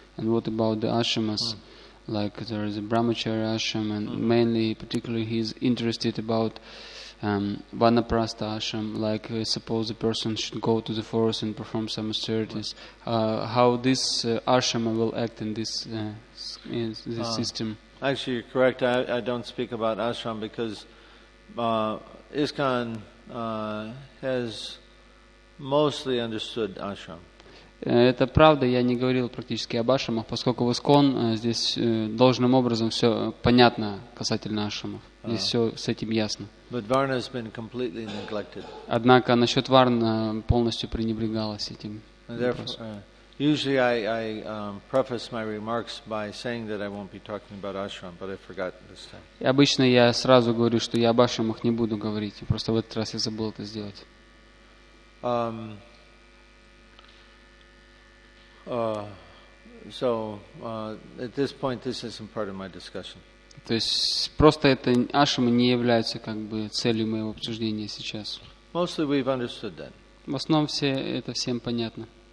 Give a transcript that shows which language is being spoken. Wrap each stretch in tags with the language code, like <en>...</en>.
<en>And what about the ashramas? Mm. Like there is a Brahmacharya ashram, and mainly, particularly, he's interested about Vanaprastha ashram, like suppose a person should go to the forest and perform some austerities. How this ashrama will act in this, this system? Actually, you're correct. I don't speak about ashram because ISKCON has mostly understood ashram.</en> <ru>Это правда, я не говорил практически об ашрамах, поскольку в ISKCON здесь должным образом все понятно касательно ашрамов. Здесь все с этим ясно.</ru> <en>But Varna has been completely neglected.</en> <ru>Однако насчет Варна полностью пренебрегалось этим.</ru> <en>Usually I preface my remarks by saying that I won't be talking about ashram, but I forgot this time.</en> <ru>Обычно я сразу говорю, что я об ашрамах не буду говорить. Просто в этот раз я забыл это сделать.</ru> <en>At this point, this isn't part of my discussion.</en> <ru>То есть просто это ашрамы не являются как бы целью моего обсуждения сейчас.</ru> <en>Mostly we've understood that.</en> <ru>В основном все это всем понятно.</ru>